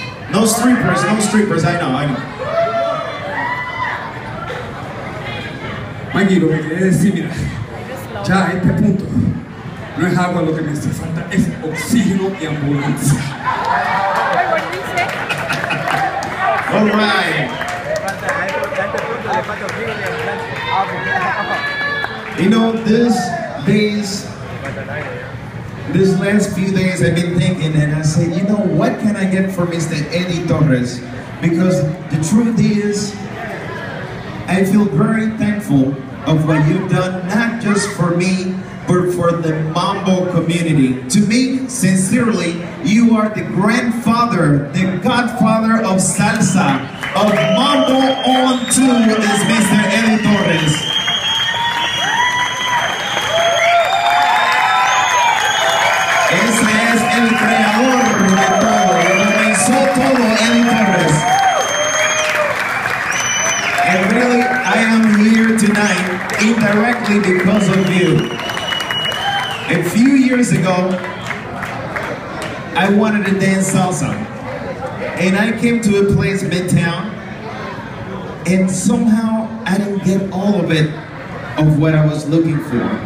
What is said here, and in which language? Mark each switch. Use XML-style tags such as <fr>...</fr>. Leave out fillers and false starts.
<en>No strippers, no strippers, I know, I know.</en> <es>Tranquilo, me quería decir, mira, ya a este punto, no es agua lo que me hace falta, es oxígeno y ambulancia.</es> <en>All right. You know, this last few days I've been thinking and I said, you know, what can I get for Mr. Eddie Torres? Because the truth is, I feel very thankful of what you've done, not just for me, but for the Mambo community. To me, sincerely, you are the grandfather, the godfather of salsa, of Mambo on 2, is Mr. Eddie Torres.</en> <es>Ese es el creador de todo, organizó todo Eddie Torres.</es> <en>And really, I am here tonight, indirectly because of you. A few years ago, I wanted to dance salsa. And I came to a place midtown, and somehow I didn't get all of it of what I was looking for.</en>